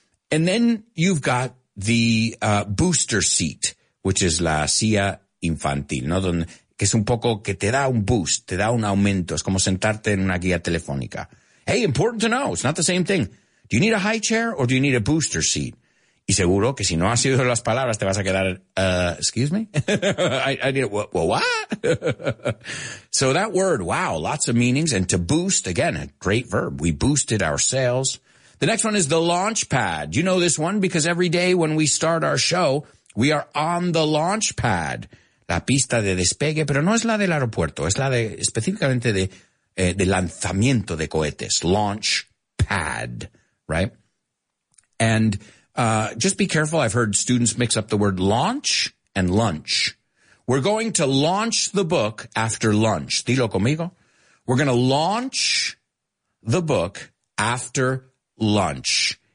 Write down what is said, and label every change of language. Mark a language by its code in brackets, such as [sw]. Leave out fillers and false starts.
[en] And then you've got the booster seat, which is [es] la silla infantil, ¿no? Que es un poco que te da un boost, te da un aumento. Es como sentarte en una guía telefónica. [en] Hey, important to know, it's not the same thing. Do you need a high chair or do you need a booster seat? [es] Y seguro que si no has oído las palabras, te vas a quedar, [en] excuse me? I need, well, what? So that word, wow, lots of meanings. And to boost, again, a great verb. We boosted our sales. The next one is the launch pad. You know this one because every day when we start our show, we are on the launch pad. [es] La pista de despegue, pero no es la del aeropuerto. Es la de, específicamente de lanzamiento de cohetes. [en] Launch pad, right? And just be careful. I've heard students mix up the word launch and lunch. We're going to launch the book after lunch. [es] Dilo conmigo. [en] We're going to launch the book after lunch.